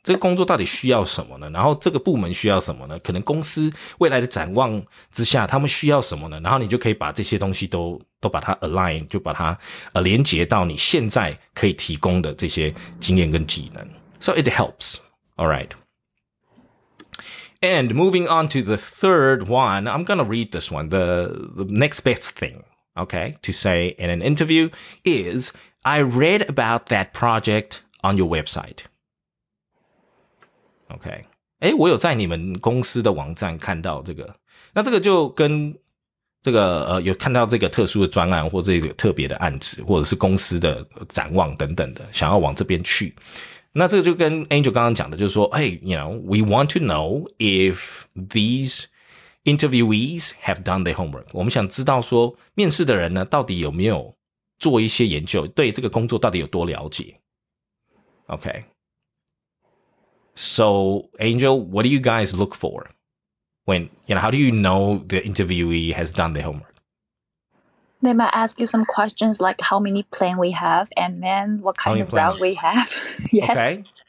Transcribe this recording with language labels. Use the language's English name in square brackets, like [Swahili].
[Chinese] 这个工作到底需要什么呢？然后这个部门需要什么呢？可能公司未来的展望之下他们需要什么呢？然后你就可以把这些东西都把它 align， 就把它连接到你现在可以提供的这些经验跟技能。 [English] So it helps. All right. And moving on to the third one, I'm going to read this one. The next best thing, okay, to say in an interview is, I read about that project on your website. Okay. [Chinese] 诶，我有在你们公司的网站看到这个。那这个就跟这个有看到这个特殊的专案或这个特别的案子或者是公司的展望等等的想要往这边去。那这个就跟 Angel 刚刚讲的就是说 [English] Hey, you know, we want to know if these interviewees have done their homework. [Chinese] 我们想知道说面试的人呢到底有没有做一些研究，对这个工作到底有多了解。 [English] Okay. So, Angel, what do you guys look for? When, you know, how do you know the interviewee has done their homework? They might ask you some questions like how many plan we have and then what kind of route we have. Yes.